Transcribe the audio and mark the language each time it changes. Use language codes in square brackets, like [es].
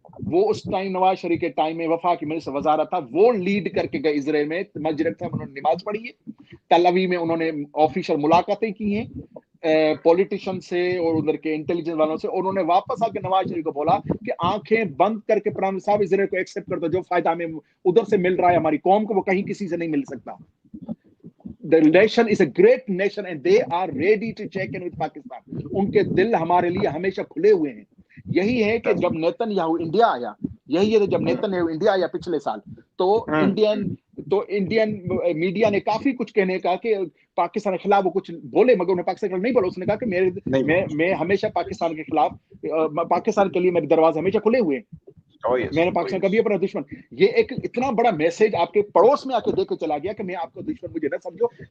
[ur] وہ اس ٹائم نواز شریف کے ٹائم میں وفا کی مجلس وزارت تھا, وہ لیڈ کر کے گئے اسرائیل میں, مجرب تھا, انہوں نے نماز پڑھی ہے, تل اویو میں انہوں نے آفیشل ملاقاتیں کی ہیں پولیٹیشن سے اور ادھر کے انٹیلیجنس والوں سے, اور انہوں نے واپس آ کے نواز شریف کو بولا کہ آنکھیں بند کر کے پرانے صاحب اسرائیل کو ایکسیپٹ کر دو, جو فائدہ ہمیں ادھر سے مل رہا ہے ہماری قوم کو وہ کہیں کسی سے نہیں مل سکتا. [en] The nation is a great nation and they are ready to check in with Pakistan. [ur] ان کے دل ہمارے لیے ہمیشہ کھلے ہوئے ہیں. یہی ہے کہ جب نیتن یاہو انڈیا آیا, یہی ہے جب نیتن یاہو انڈیا آیا پچھلے سال, تو انڈین میڈیا نے کافی کچھ کہنے کا کہ پاکستان کے خلاف وہ کچھ بولے, مگر انہیں پاکستان کے خلاف نہیں بولا, اس نے کہا کہ میں ہمیشہ پاکستان کے خلاف, پاکستان کے لیے میرے دروازے ہمیشہ کھلے ہوئے ہیں, میں نے پاکستان کبھی اپنا دشمن, یہ ایک اتنا بڑا میسج آپ کے پڑوس میں آ کے دے کے چلا گیا کہ میں آپ کا دشمن مجھے نہ سمجھو.